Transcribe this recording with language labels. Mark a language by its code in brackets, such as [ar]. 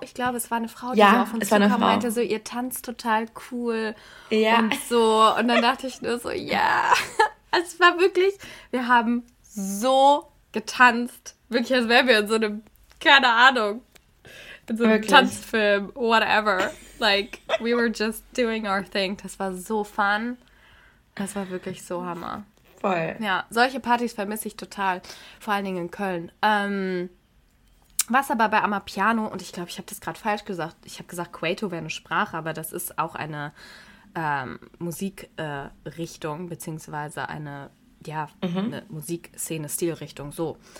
[de] Ich glaube, es war eine Frau, die so auf Ja, uns es war eine zukam und meinte Frau. so, ihr tanzt total cool Ja. und so. Und dann dachte ich nur so, ja. Es war wirklich, wir haben so getanzt. Wirklich, als wären wir in so einem, keine Ahnung, in so einem Wirklich. Tanzfilm, whatever. [en] Like, we were just doing our thing. [de] Das war so fun. Das war wirklich so Hammer. Voll. Ja, solche Partys vermisse ich total. Vor allen Dingen in Köln. Was aber bei Amapiano, und ich glaube, ich habe das gerade falsch gesagt, ich habe gesagt, Kwaito wäre eine Sprache, aber das ist auch eine Musikrichtung, beziehungsweise eine, ja, eine Musikszene-Stilrichtung, so.